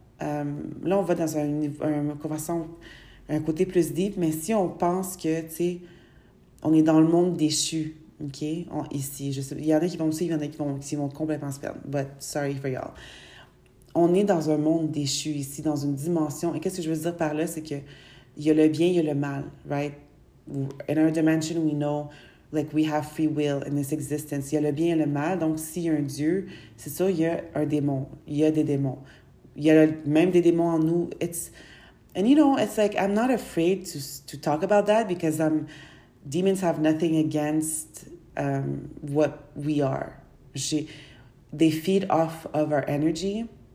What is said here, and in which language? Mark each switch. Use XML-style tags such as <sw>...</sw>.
<fr>Là, on va dans un côté plus deep, mais si on pense que, tu sais, on est dans le monde déchu, OK, ici, il y en a qui vont me suivre, il y en a qui vont complètement se perdre,</fr> <en>but sorry for y'all.</en> <fr>On est dans un monde déchu ici, dans une dimension, et qu'est-ce que je veux dire par là, c'est que il y a le bien, il y a le mal, right?</fr> <en>In our dimension, we know, like, we have free will in this existence.</en> <fr>Il y a le bien et le mal, donc s'il y a un Dieu, c'est sûr, il y a un démon, il y a des démons. Il y a même des démons en nous.</fr> <en>And you know, it's like, I'm not afraid to talk about that because demons have nothing against what we are. They feed off of our energy.</en>